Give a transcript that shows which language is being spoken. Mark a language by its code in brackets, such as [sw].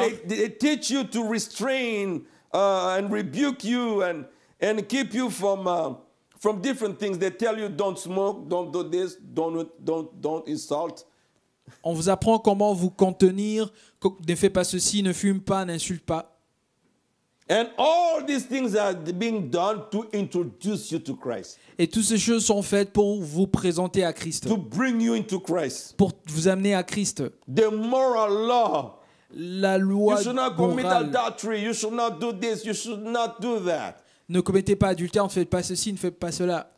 [en] so they teach you to restrain and rebuke you and keep you from different things. They tell you don't smoke, don't do this, don't insult. [fr] On vous apprend comment vous contenir. Ne fais pas ceci, ne fume pas, n'insulte pas. [en] And all these things are being done to introduce you to Christ. [fr] Et toutes ces choses sont faites pour vous présenter à Christ. [en] To bring you into Christ. [fr] Pour vous amener à Christ. [en] The moral law. [fr] La loi morale. [en] You should not commit adultery. You should not do this. You should not do that. [fr] Ne commettez pas adultère. Ne faites pas ceci. Ne faites pas cela.